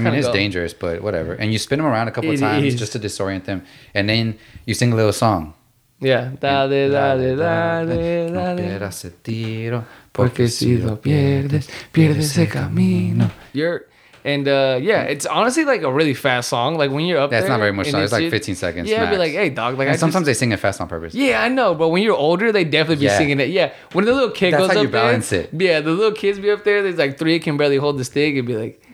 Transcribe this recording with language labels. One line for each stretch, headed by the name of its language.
English: it's dangerous, but whatever. And you spin them around a couple of times just to disorient them, and then you sing a little song.
Spanish: Yeah, dale, dale, dale, dale. No pierdas el tiro. Porque si lo pierdes, pierdes el camino.
English: It's honestly like a really fast song. Like when you're up It's not very much. It's like 15 seconds. Yeah, be like, hey, dog. Like, and sometimes they sing it fast on purpose. Yeah, I know. But when you're older, they definitely be singing it. Yeah. When the little kid goes up there. That's how you balance it. Yeah, the little kids be up there. There's like three can barely hold the stick. It'd be like.